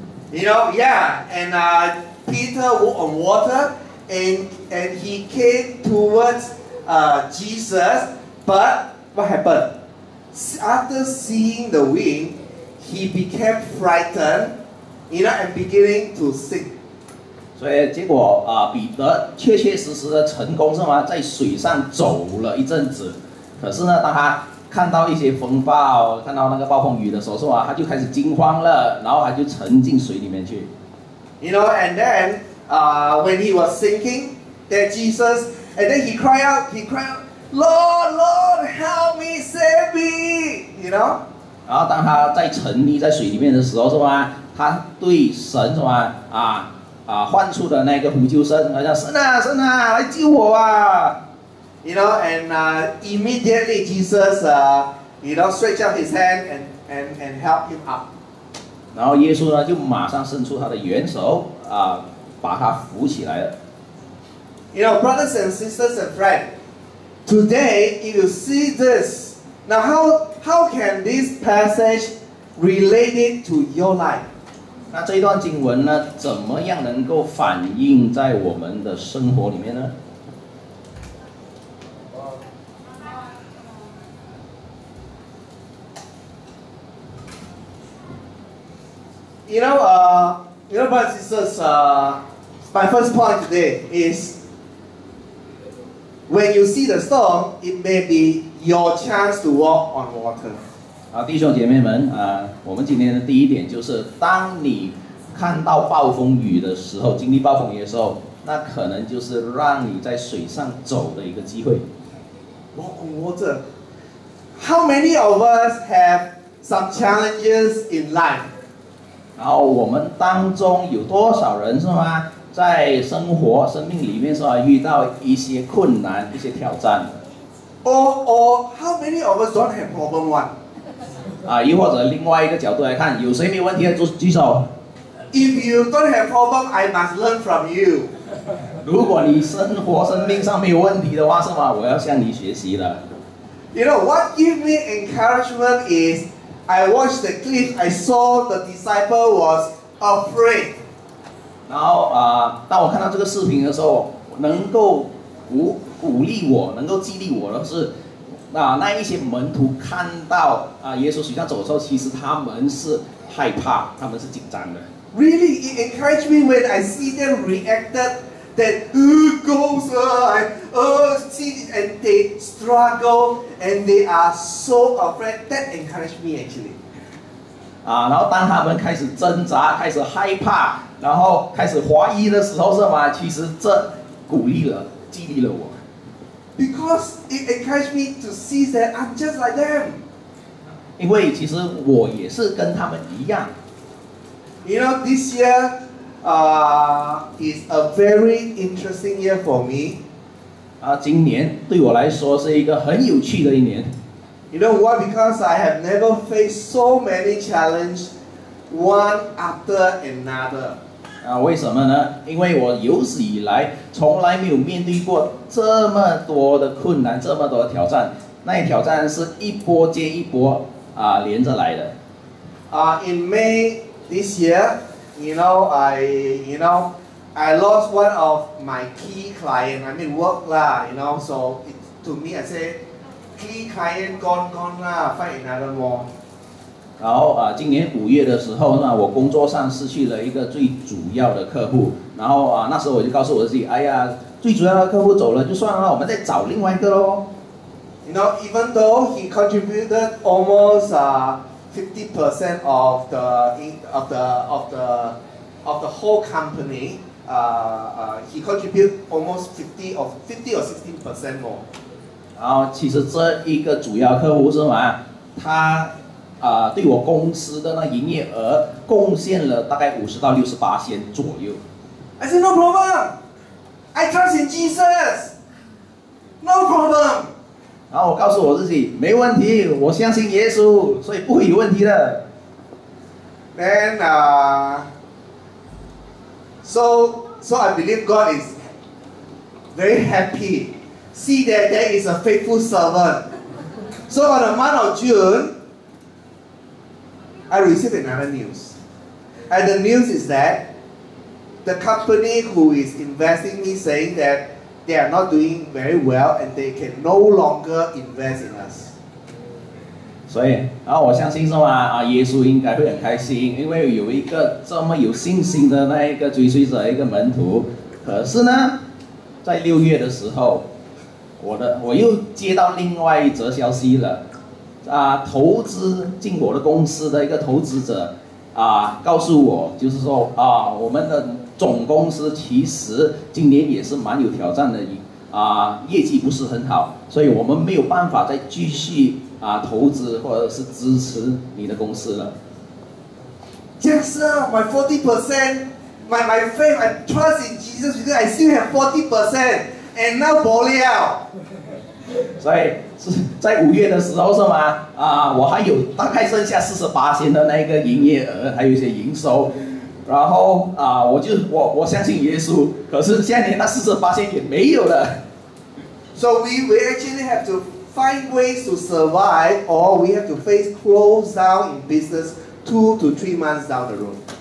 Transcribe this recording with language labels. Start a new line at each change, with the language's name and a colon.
English: You know, yeah, and Peter walked on water, and he came towards Jesus. But what happened? After seeing the wind, he became frightened, you know, and beginning to sink.
Chinese: 所以结果彼得确确实实的成功，是吗，在水上走了一阵子，可是呢当他看到一些风暴，看到那个暴风雨的时候，是吗，他就开始惊慌了，然后他就沉进水里面去。
English: You know, and then when he was sinking, that Jesus, and then he cried out, Lord, help me, save me, you know.
Chinese: 然后当他在沉溺在水里面的时候，是吗，他对神，是吗，唤出的那个呼救声，他叫神啊，来救我啊！
English: You know, and immediately Jesus, stretch out his hand and help him up.
Chinese: 然后耶稣呢就马上伸出他的援手，把他扶起来了。
English: You know, brothers and sisters and friends, today if you see this, now how can this passage relate it to your life?
Chinese: 那这一段经文呢，怎么样能够反映在我们的生活里面呢？
English: You know, brothers and sisters, my first point today is when you see the storm, it may be your chance to walk on water.
Chinese: 弟兄姐妹们，我们今天的第一点就是，当你看到暴风雨的时候，经历暴风雨的时候，那可能就是让你在水上走的一个机会。
English: Walk on water. How many of us have some challenges in life?
Chinese: 然后我们当中有多少人，是吗，在生活生命里面，是吧，遇到一些困难，一些挑战。
English: Or how many of us don't have problem one?
Chinese: 又或者另外一个角度来看，有谁没问题的举手。
English: If you don't have problem, I must learn from you.
Chinese: 如果你生活生命上没有问题的话，是吗？我要向你学习了。
English: You know what give me encouragement is I watched the clip. I saw the disciple was afraid.
Chinese: 然后当我看到这个视频的时候，能够鼓励我，能够激励我的是，那一些门徒看到耶稣水上走的时候，其实他们是害怕，他们是紧张的。
English: Really, it encouraged me when I see them reacted that ghosts and they struggle and they are so afraid. That encouraged me actually.
Chinese: 然后当他们开始挣扎、开始害怕、然后开始怀疑的时候，是吗？其实这鼓励了、激励了我。
English: Because it encouraged me to see that I'm just like them.
Chinese: 因为其实我也是跟他们一样。
English: You know, this year is a very interesting year for me.
Chinese: 今年对我来说是一个很有趣的一年。
English: You know why? Because I have never faced so many challenges one after another.
Chinese: 为什么呢？因为我有史以来从来没有面对过这么多的困难，这么多的挑战。那些挑战是一波接一波连着来的。
English: In May,This year, I lost one of my key client. I mean, work lah, you know. So it, to me, I say, key client gone lah, find another more.
Chinese: 然后今年五月的时候，那我工作上失去了一个最主要的客户。然后那时候我就告诉我自己，哎呀，最主要的客户走了就算了，我们再找另外一个喽。
English: You know, even though he contributed almost 50% of the whole company, he contribute almost 50 or 60% more.
Chinese: 然后其实这一个主要客户是吗？他对我公司的那营业额贡献了大概50%到60%左右。
English: I said no problem. I trust in Jesus. No problem.
Chinese: 然后我告诉我自己，没问题，我相信耶稣，所以不会有问题的。
English: Then, so I believe God is very happy. See that there is a faithful servant. So on the month of June, I received another news. And the news is that the company who is investing me saying that. They are not doing very well, and they can no longer invest in us.
Chinese: 所以，然后我相信是吗？耶稣应该会很开心，因为有一个这么有信心的那一个追随者，一个门徒。可是呢，在六月的时候，我又接到另外一则消息了。投资进我的公司的一个投资者告诉我，就是说我们的。总公司其实今年也是蛮有挑战的，业绩不是很好，所以我们没有办法再继续投资或者是支持你的公司了。
English: Jackson, my 40%, my faith, my trust in Jesus, because I still have 40%, and now boliao.
Chinese: 所以在五月的时候是吗？我还有大概剩下40%的那个营业额，还有一些营收。然后我相信耶稣，可是现在那40%也没有了。
English: So we actually have to find ways to survive, or we have to face close down in business 2 to 3 months down the road.